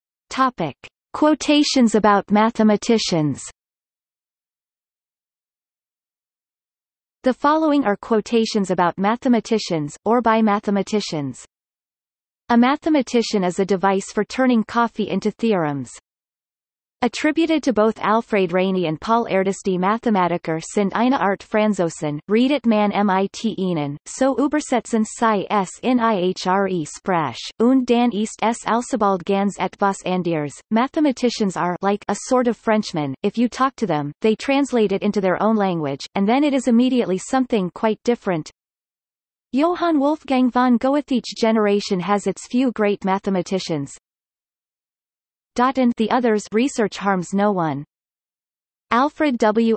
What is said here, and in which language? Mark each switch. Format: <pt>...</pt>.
<en>Topic: Quotations about mathematicians. The following are quotations about mathematicians, or by mathematicians. A mathematician is a device for turning coffee into theorems. Attributed to both Alfred Rainey and Paul Erdős,</en> <de>die Mathematiker sind eine Art Franzosen, read it man mit ihnen, so übersetzen sie es in ihre Sprache, und dann ist es alsobald ganz etwas anderes.</de> <en>Mathematicians are like a sort of Frenchman. If you talk to them, they translate it into their own language, and then it is immediately something quite different. Johann Wolfgang von Goethe. Each generation has its few great mathematicians. And the others research harms no one. Alfred W.</en>